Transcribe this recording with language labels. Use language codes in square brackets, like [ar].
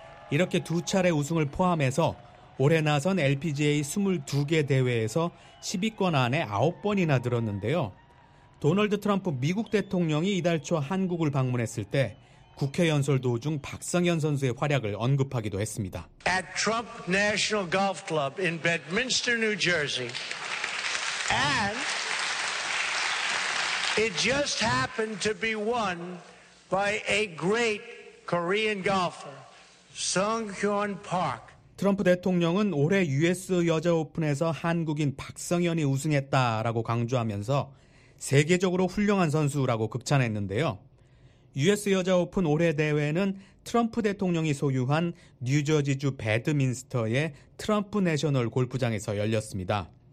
[ko] 이렇게 두 차례 우승을 포함해서 올해 나선 LPGA 22개 대회에서 10위권 안에 9번이나 들었는데요. 도널드 트럼프 미국 대통령이 이달 초 한국을 방문했을 때 국회 연설 도중 박성현 선수의 활약을 언급하기도 했습니다. [en] At Trump National Golf Club in Bedminster, New Jersey. And it just happened to be won by a great Korean golfer, Sung-hyun Park. [ko] 트럼프 대통령은 올해 US 여자 오픈에서 한국인 박성현이 우승했다라고 강조하면서 세계적으로 훌륭한 선수라고 극찬했는데요. US 여자 오픈 올해 대회는 트럼프 대통령이 소유한 뉴저지주 베드민스터의 트럼프 내셔널 골프장에서 열렸습니다.